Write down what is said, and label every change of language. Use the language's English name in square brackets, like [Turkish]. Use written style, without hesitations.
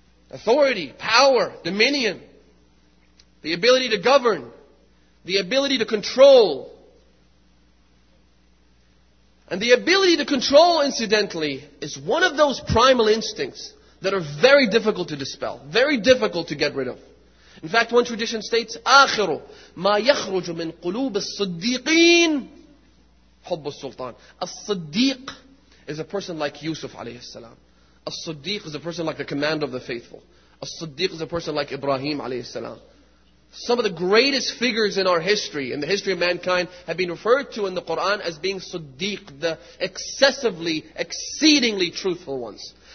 [English] Authority, power, dominion, the ability to govern, the ability to control. And the ability to control, incidentally, is one of those primal instincts that are very difficult to dispel, very difficult to get rid of. In fact, one tradition states, [Arabic] آخِرُ مَا يَخْرُجُ مِنْ قُلُوبِ الصَّدِّيقِينَ حُبُّ السُّلْطَانِ. [English] As-Siddiq is a person like Yusuf alayhi salam. As-Siddiq is a person like the commander of the faithful. As-Siddiq is a person like Ibrahim alayhi salam. Some of the greatest figures in our history, in the history of mankind, have been referred to in the Quran as being Siddiq, the excessively, exceedingly truthful ones.